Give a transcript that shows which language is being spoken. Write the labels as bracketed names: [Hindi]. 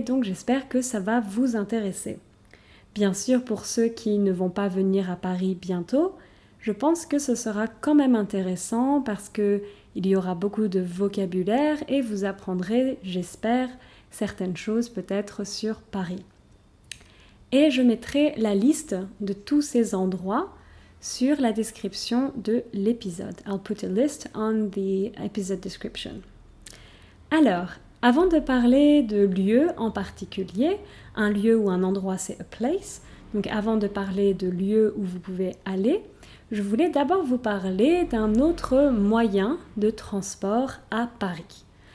[French] Donc, j'espère que ça va vous intéresser. Bien sûr, pour ceux qui ne vont pas venir à Paris bientôt, je pense que ce sera quand même intéressant parce qu'il y aura beaucoup de vocabulaire et vous apprendrez, j'espère, certaines choses peut-être sur Paris. Et je mettrai la liste de tous ces endroits sur la description de l'épisode. [English] I'll put a list on the episode description. [French] Alors, avant de parler de lieux en particulier, un lieu ou un endroit c'est a place, donc avant de parler de lieux où vous pouvez aller, je voulais d'abord vous parler d'un autre moyen de transport à Paris.